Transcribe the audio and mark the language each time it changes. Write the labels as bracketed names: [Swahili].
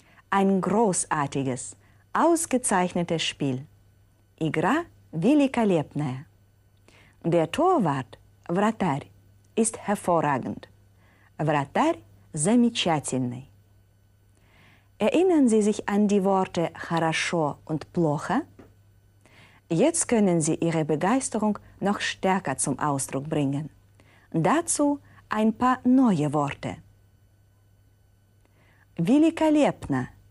[German] Ein großartiges, ausgezeichnetes Spiel. [Russian] Игра великолепная. [German] Der Torwart, вратарь, ist hervorragend. [Russian] Вратарь замечательный. [German] Erinnern Sie sich an die Worte хорошо und плохо? Jetzt können Sie Ihre Begeisterung noch stärker zum Ausdruck bringen. Dazu ein paar neue Worte. Великолепно.